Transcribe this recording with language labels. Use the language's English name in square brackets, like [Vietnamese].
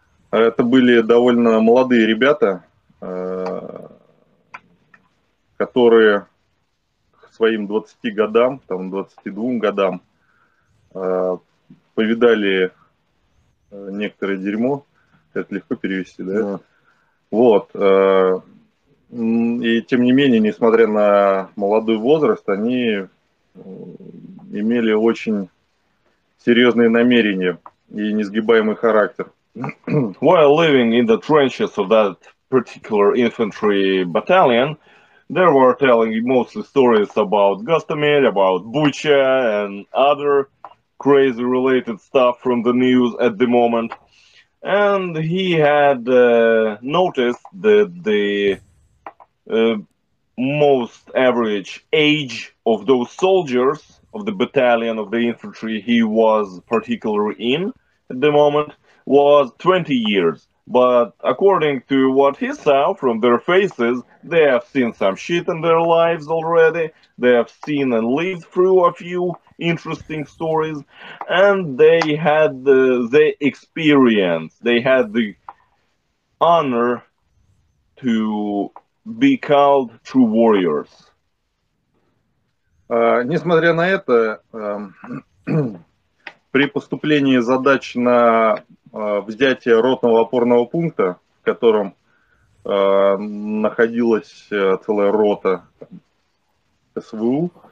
[Russian] Это были довольно молодые ребята, которые к своим 20 годам, там 22 годам, повидали некоторое дерьмо, это легко перевести, да? Вот. И тем не менее, несмотря на молодой возраст, они имели очень серьезные намерения и несгибаемый характер. [English] While living in the trenches of that particular infantry battalion, they were telling mostly stories about Gostomel, about Bucha and other crazy related stuff from the news at the moment, and he had noticed that the most average age of those soldiers of the battalion of the infantry he was particularly in at the moment was 20 years, but according to what he saw from their faces, they have seen some shit in their lives already, they have seen and lived through a few interesting stories, and they had the experience, they had the honor to be called true warriors. [Russian] Несмотря на это, при поступлении задач на взятие ротного опорного пункта, в котором находилась целая рота ВСУ,